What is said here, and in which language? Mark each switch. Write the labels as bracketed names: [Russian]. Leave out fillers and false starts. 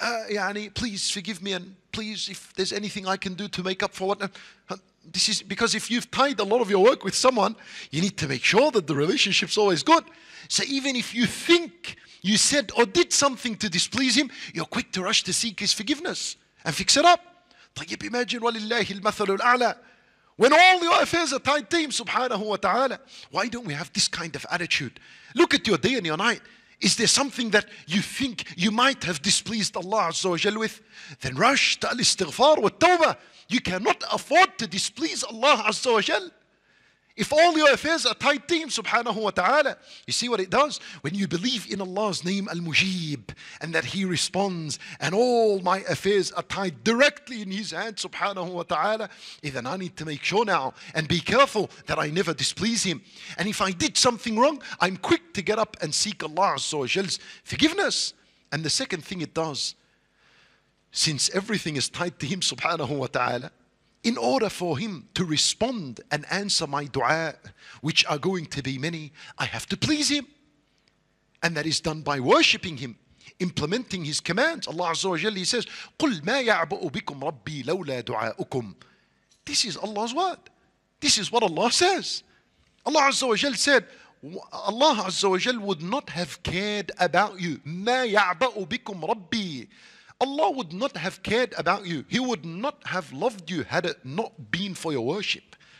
[English] Yani, please forgive me, and please, if there's anything I can do to make up for what... This is because if you've tied a lot of your work with someone, you need to make sure that the relationship's always good. So even if you think you said or did something to displease him, you're quick to rush to seek his forgiveness and fix it up. [Arabic] طيب, [English] imagine, [Arabic] وَلِلَّهِ الْمَثَلُ الْأَعْلَى. [English] When all your affairs are tied to him, subhanahu wa ta'ala, why don't we have this kind of attitude? Look at your day and your night. Is there something that you think you might have displeased Allah Azza wa Jal with? Then rush to al-istighfar wa tawbah. You cannot afford to displease Allah Azza wa Jal. If all your affairs are tied to Him, subhanahu wa ta'ala. You see what it does? When you believe in Allah's name, al-Mujeeb, and that He responds, and all my affairs are tied directly in His hand, subhanahu wa ta'ala. Then I need to make sure now, and be careful that I never displease Him. And if I did something wrong, I'm quick to get up and seek Allah Azza wa Jal's forgiveness. And the second thing it does, since everything is tied to Him, subhanahu wa ta'ala, in order for Him to respond and answer my dua, which are going to be many, I have to please Him. And that is done by worshipping Him, implementing His commands. [Arabic] Allah Azza wa Jalla, [English] He says, [Arabic] قُلْ مَا يَعْبُؤُ بِكُمْ رَبِّي لَوْلَا دُعَاءُكُمْ. [English] This is Allah's word. This is what Allah says. Allah Azza wa Jalla said, Allah Azza wa Jalla would not have cared about you. [Arabic] مَا يَعْبَؤُ بِكُمْ رَبِّي. [English] Allah would not have cared about you. He would not have loved you had it not been for your worship.